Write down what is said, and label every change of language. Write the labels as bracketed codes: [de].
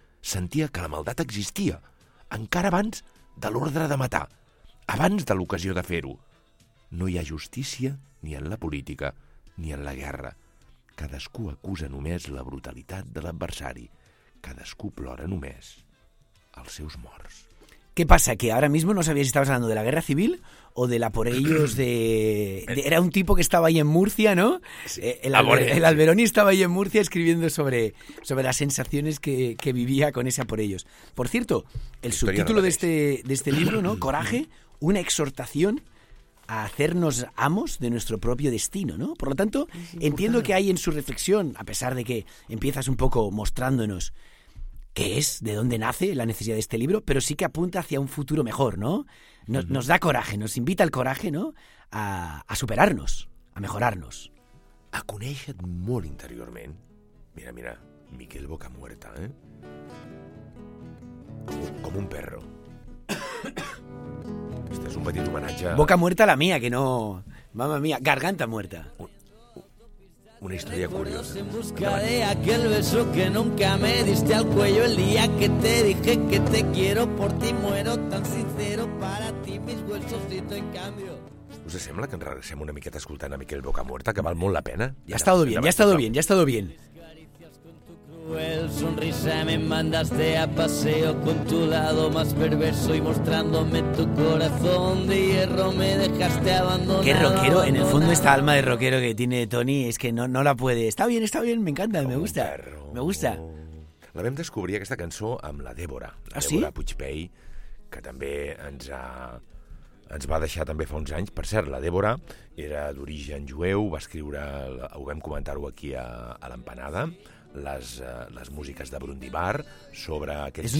[ca] Sentia que la maldat existia, encara abans de l'ordre de matar, abans de l'ocasió de fer-ho. No hi ha justícia ni en la política ni en la guerra. Cadascú acusa només la brutalitat de l'adversari. Cadascú plora només els seus morts. [es] ¿Qué pasa? ¿Que ahora mismo no sabías si estabas hablando de la guerra civil o de la por ellos de... era un tipo que estaba ahí en Murcia, ¿no? Sí, el Alberoni estaba ahí en Murcia escribiendo sobre las sensaciones que vivía con esa por ellos. Por cierto, el subtítulo de este libro, ¿no? Coraje, una exhortación a hacernos amos de nuestro propio destino, ¿no? Por lo tanto, entiendo que hay en su reflexión, a pesar de que empiezas un poco mostrándonos qué es, de dónde nace la necesidad de este libro, pero sí que apunta hacia un futuro mejor, ¿no? Nos da coraje, nos invita al coraje, ¿no? A superarnos, a mejorarnos. [ca] A conèixer molt interiorment. [es] Mira, mira, Miquel Boca Muerta, ¿eh? [ca] Com un perro. Este és un petit homenatge... [es] Boca Muerta la mía, que no... Mamma mía, Garganta Muerta. Una historia curiosa. En busca de aquel beso que nunca me diste al cuello el día que te dije que te quiero, por ti muero tan sincero, para ti mis huesos siento en cambio. [ca] ¿Us sembla que ens regressem una miqueta escoltant a Miquel Boca Muerta, que val molt la pena? [es] Ha estado bien, ya ha estado bien, ya ha estado bien. Cruel sonrisa me mandaste a paseo con tu lado más perverso y mostrándome tu corazón de hierro me dejaste abandonado. Qué rockero, abandonado. En el fondo esta alma de rockero que tiene Tony es que no la puede. Está bien, me encanta, me gusta. Perro. Me gusta. [ca] La vam descobrir aquesta cançó amb la Débora. Ah, sí? Débora Puigpey, que també ens va deixar també fa uns anys. Per cert, la Débora era d'origen jueu, va escriure, ho vam comentar-ho aquí a l'empanada, les músiques de Brundibar sobre aquest genocidi.